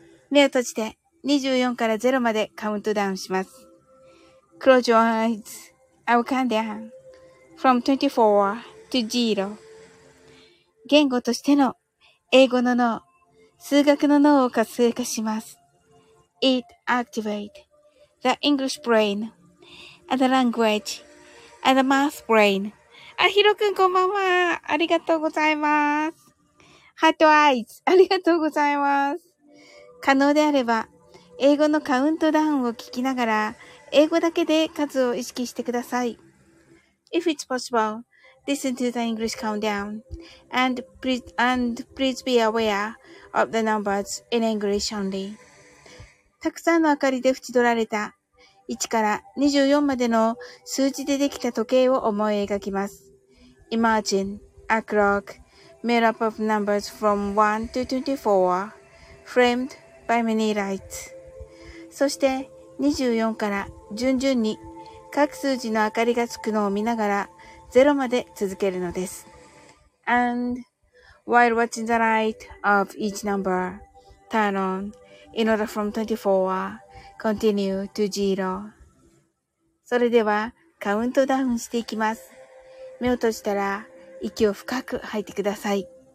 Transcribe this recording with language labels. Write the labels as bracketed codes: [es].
[ja] 目を閉じて24から0までカウントダウンします。 [en] Close your eyes. I will count down from 24 to 0. [ja] 言語としての英語の脳、数学の脳を活性化します。 [en] It activate. The English brain, and the language, and the math brain. [ja] あ、ひろくん、こんばんは。ありがとうございます。ハートアイズ、ありがとうございます。可能であれば、英語のカウントダウンを聞きながら、英語だけで数を意識してください。 [en] If it's possible, listen to the English countdown, and please be aware of the numbers in English only. [ja] たくさんの明かりで縁取られた1から24までの数字でできた時計を思い描きます。 [en] Imagine a clock made up of numbers from 1 to 24 framed by many lights. [ja] そして24から順々に各数字の明かりがつくのを見ながら0まで続けるのです。 [en] And while watching the light of each number turn onIn order from 24, continue to zero. [ja] それではカウントダウンしていきます。目を閉じたら息を深く吐いてください。